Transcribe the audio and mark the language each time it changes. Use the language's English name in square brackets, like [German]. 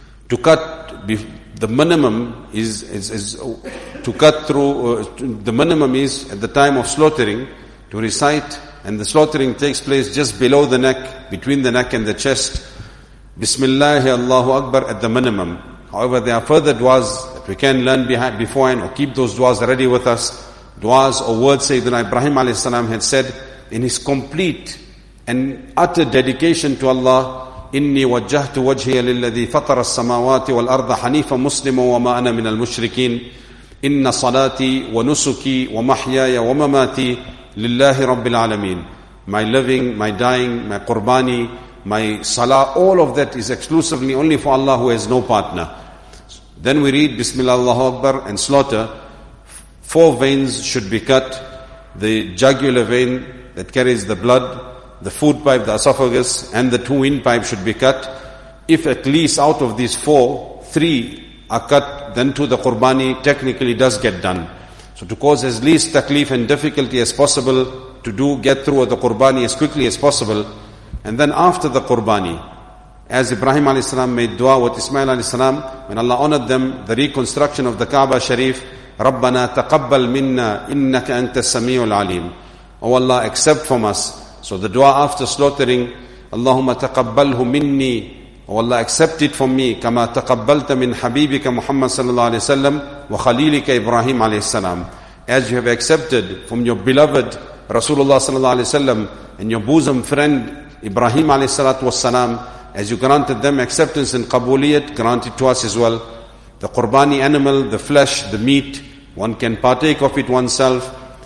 [English] To cut the minimum is to cut through, the minimum is at the time of slaughtering to recite, and the slaughtering takes place just below the neck, between the neck and the chest. Bismillah, Allahu Akbar at the minimum. However, there are further du'as that we can learn behind, beforehand, or keep those du'as ready with us. Du'as or words Sayyidina Ibrahim alayhi salam had said in his complete and utter dedication to Allah, [Arabic] إِنِّي وَجَّهْتُ وَجْهِيَ لِلَّذِي فَطَرَ السَّمَاوَاتِ وَالْأَرْضَ حَنِيفًا مُسْلِمًا وَمَا أَنَا مِنَ الْمُشْرِكِينَ إِنَّ صَلَاتِي وَنُسُكِي وَمَحْيَايَ وَمَمَاتِي لِلَّهِ رَبِّ الْعَالَمِينَ. [English] My living, my dying, my qurbani, my salah, all of that is exclusively only for Allah, who has no partner. Then we read Bismillah, Allahu Akbar, and slaughter. Four veins should be cut: the jugular vein that carries the blood, the food pipe, the esophagus, and the two windpipes should be cut. If at least out of these four, three are cut, then to the qurbani technically does get done. So to cause as least taklif and difficulty as possible to do, get through the qurbani as quickly as possible. And then after the qurbani, as Ibrahim alayhi salam made dua with Ismail alayhi salam, when Allah honored them, the reconstruction of the Kaaba Sharif, [Arabic] رَبَّنَا تَقَبَّلْ مِنَّا إِنَّكَ أَنْتَ السَّمِيعُ الْعَلِيمُ. [English] O Allah, accept from us. So the dua after slaughtering, [Arabic] اللَّهُمَّ تَقَبَّلْهُ مِنِّي. [English] O Allah, accept it from me, [Arabic] كَمَا تَقَبَّلْتَ مِنْ حَبِيبِكَ مُحَمَّدْ صَلَى اللَّهُ عَلَيْهِ وَسَلَّمْ وَخَلِيلِكَ إِبْرَاهِيمَ عَلَيْهِ السَّلَامُ. [English] As you have accepted from your beloved Rasulullah صلى الله عليه وسلم and your bosom friend Ibrahim alayhi salatu wassalam, as you granted them acceptance and qabuliyat, grant it to us as well. The qurbani animal, the flesh, the meat, one can partake of it oneself.